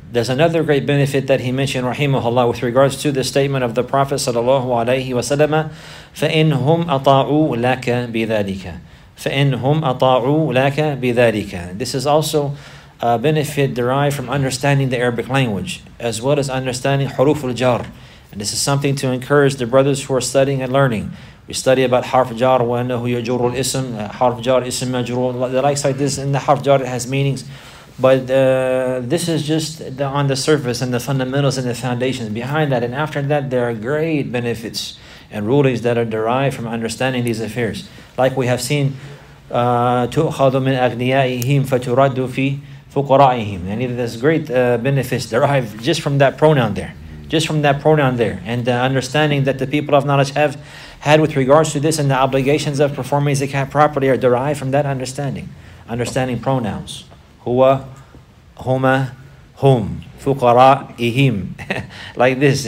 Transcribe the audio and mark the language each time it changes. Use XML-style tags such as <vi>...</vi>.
<en>There's another great benefit that he mentioned, rahimahullah, with regards to the statement of the Prophet sallallahu alayhi wa sallam,</en> <ar>فَإِنْهُمْ أَطَاعُوا لَكَ بِذَلِكَ. فَإِنْهُمْ أَطَاعُوا لَكَ بِذَلِكَ.</ar> <en>This is also a benefit derived from understanding the Arabic language, as well as understanding حروف الجر. And this is something to encourage the brothers who are studying and learning. We study about</en> <ar>حرف جر وَأَنَّهُ يَجُرُّ الْإِسْمِ حرف جر إسم مجرور.</ar> <en>The likes like this, in the حرف جر it has meanings. But this is just on the surface and the fundamentals and the foundations behind that. And after that, there are great benefits and rulings that are derived from understanding these affairs. Like we have seen,</en> <ar>تُؤْخَذُ مِنْ أَغْنِيَائِهِمْ فَتُرَدُّ فِي فُقَرَائِهِمْ.</ar> <en>And there's great benefits derived just from that pronoun there. Just from that pronoun there. And the understanding that the people of knowledge have had with regards to this and the obligations of performing zakat properly are derived from that understanding. Understanding pronouns. Huwa, huma, hum, fuqara, ihim. Like this.</en>